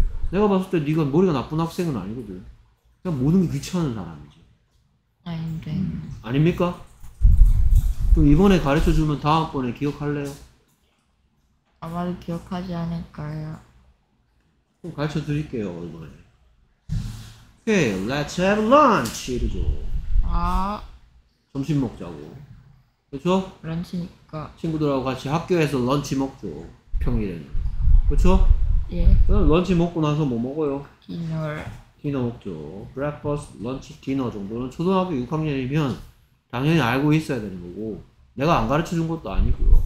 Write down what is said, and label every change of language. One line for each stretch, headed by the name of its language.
Korean: 내가 봤을 때 네가 머리가 나쁜 학생은 아니거든. 그냥 모든 게 귀찮은 사람이지. 아닌데. 아닙니까? 그럼 이번에 가르쳐주면 다음번에 기억할래요? 아마도 기억하지 않을까요? 그럼 가르쳐드릴게요 이번에.
English: Okay, let's have lunch
Korean: 이러죠. 아 점심 먹자고. 그쵸? 런치니까 친구들하고 같이 학교에서 런치 먹죠 평일에는. 그쵸? 예. 그럼 런치 먹고 나서 뭐 먹어요? 디너 먹죠. 브렉퍼스트, 런치, 디너 정도는 초등학교 6학년이면 당연히 알고 있어야 되는 거고 내가 안 가르쳐 준 것도 아니고요.